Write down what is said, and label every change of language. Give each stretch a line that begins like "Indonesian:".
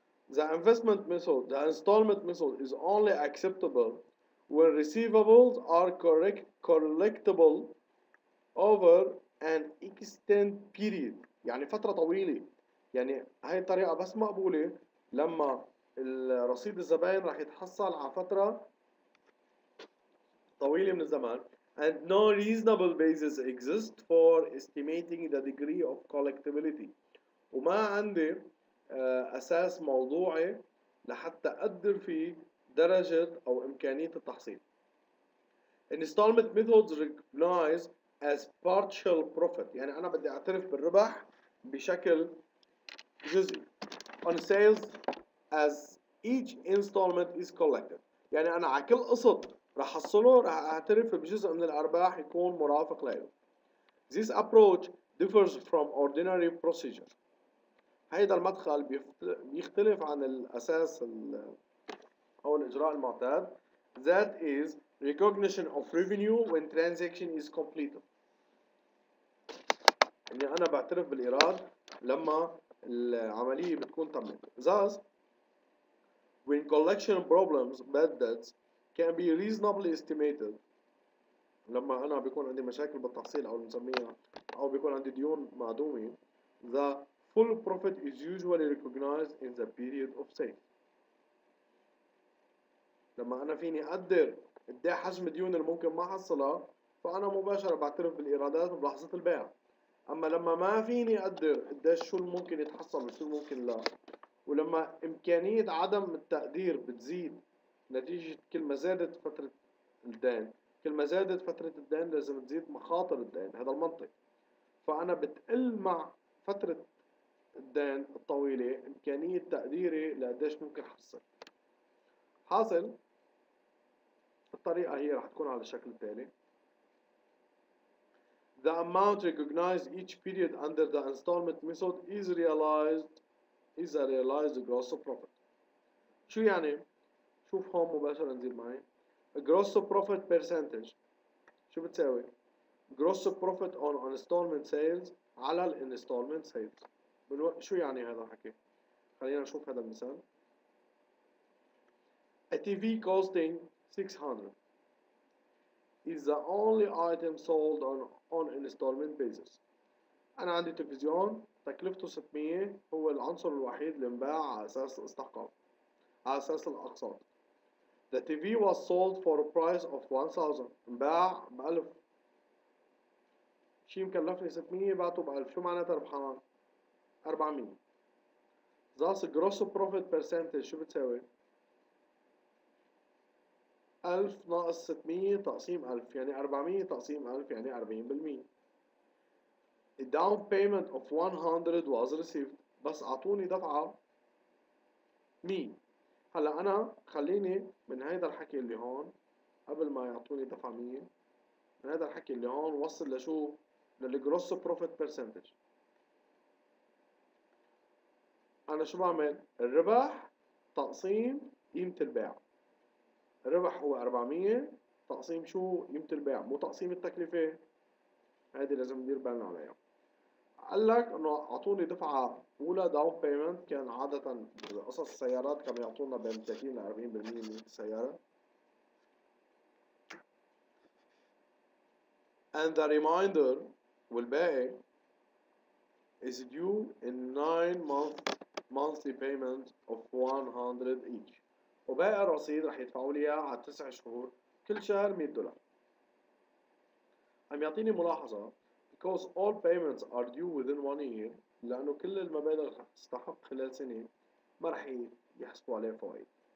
English: The investment method, the installment method is only acceptable when receivables are collectible over an extended period.
Arabic: يعني فترة طويلة. يعني هاي الطريقة بس مقبولة لما الرصيد الزبائن راح يتحصل على فترة طويلة من الزمان.
English: And no reasonable basis exists for estimating the degree of collectability.
Arabic: وما عندي اساس موضوعي لحتى اقدر في درجه او امكانيه التحصيل.
English: Installment methods recognize as partial profit،
Arabic: يعني انا بدي اعترف بالربح بشكل جزئي.
English: On sales as each installment is collected،
Arabic: يعني انا على كل قسط راح احصله راح اعترف بجزء من الارباح يكون مرافق له.
English: This approach differs from ordinary procedure.
Arabic: هيدا المدخل بيختلف عن الأساس أو الإجراء المعتاد.
English: That is recognition of revenue when transaction is completed.
Arabic: يعني أنا بعترف بالإيراد لما العملية بتكون تمت.
English: Thus, when collection problems, bad debts can be reasonably estimated.
Arabic: لما أنا بيكون عندي مشاكل بالتحصيل أو نسميها أو بيكون عندي ديون معدومة.
English: The full profit is usually recognized in the period of sale.
Arabic: لما انا فيني اقدر قديه حجم الديون اللي ممكن ما احصلها فانا مباشره بعترف بالايرادات بلحظه البيع. اما لما ما فيني اقدر قديه شو ممكن يتحصل وشو ممكن لا ولما امكانيه عدم التقدير بتزيد نتيجة كل ما زادت فترة الدين، كل ما زادت فترة الدين لازم تزيد مخاطر الدين، هذا المنطق. فأنا بتقل مع فترة الدين الطويلة إمكانية تقديري لقديش ممكن أحصل. حاصل الطريقة هي راح تكون على الشكل التالي:
English: The amount recognized each period under the installment method is realized is a realized gross profit.
Arabic: شو يعني؟ شوف هون مباشرة انزل معي.
English: Gross profit percentage
Arabic: شو بتساوي؟
English: Gross profit on installment sales
Arabic: على ال
English: installment sales.
Arabic: شو يعني هذا الحكي؟ خلينا نشوف هذا المثال.
English: A TV costing 600 is the only item sold on installment basis.
Arabic: أنا عندي تلفزيون تكلفته 600، هو العنصر الوحيد اللي انباع على أساس الاستحقاق، على أساس الأقساط.
English: The TV was sold for a price of 1000.
Arabic: انباع بألف. شيء مكلفني 600 بعته بألف، شو معناتها ربحان؟ 400.
English: Thus gross profit percentage
Arabic: شو بتساوي؟ 1000 ناقص 600 تقسيم 1000، يعني 400 تقسيم 1000 يعني 40%.
English: A down payment of 100 was received،
Arabic: بس اعطوني دفعه 100. هلا انا خليني من هيدا الحكي اللي هون، قبل ما يعطوني دفعه 100، من هيدا الحكي اللي هون وصل لشو؟ للجروس بروفيت برسنتج. انا شو بعمل؟ الربح تقسيم قيمة البيع. الربح هو 400 تقسيم شو؟ قيمة البيع، مو تقسيم التكلفة. هذه لازم ندير بالنا عليها. قال لك انه اعطوني دفعة أولى داون بيمنت، كان عادة قصص السيارات كانوا يعطونا بين 30 ل 40% من السيارة.
English: And the reminder
Arabic: والباقي
English: is due in 9 months monthly payment of 100 each.
Arabic: وباقي الرصيد رح يدفعوا لي اياه على 9 شهور كل شهر 100 دولار. عم يعطيني ملاحظة:
English: Because all payments are due within 1 year،
Arabic: لأنه كل المبالغ تستحق خلال سنة ما رح يحسبوا عليها فوائد.